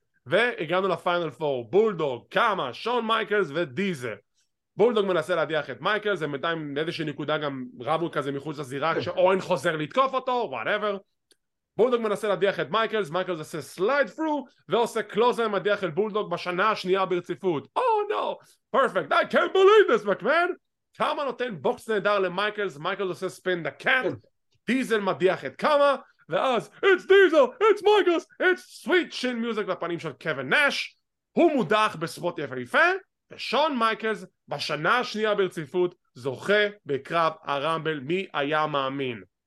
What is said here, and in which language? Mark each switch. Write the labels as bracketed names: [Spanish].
[Hebrew] והגענו לפיינל 4, בולדוג, קאמה, שון מייקלס ודיזל. בולדוג מנסה להדיח את מייקלס, הם בינתיים איזושהי נקודה גם רבו כזה מחוץ לזירה, כשאוין חוזר לתקוף אותו, whatever. בולדוג מנסה להדיח את מייקלס, מייקלס עושה סלייד פרו, ועושה קלוזליין מדיח את בולדוג בשנה השנייה ברציפות. [English] Oh no, perfect, I can't believe this, מקמן. [Hebrew] קאמה נותן בוקס נהדר למייקלס, מייקלס עושה ספין דה קאט, דיזל מדיח את קאמה, ואז, [English] it's Diesel, it's Michaels, it's sweet chin music [Hebrew] לפנים של קווין נאש, הוא מודח בספוט יפהפה, ושון מייקלס, בשנה השנייה ברציפות, זוכה בקרב הרמבל, מי היה מאמין?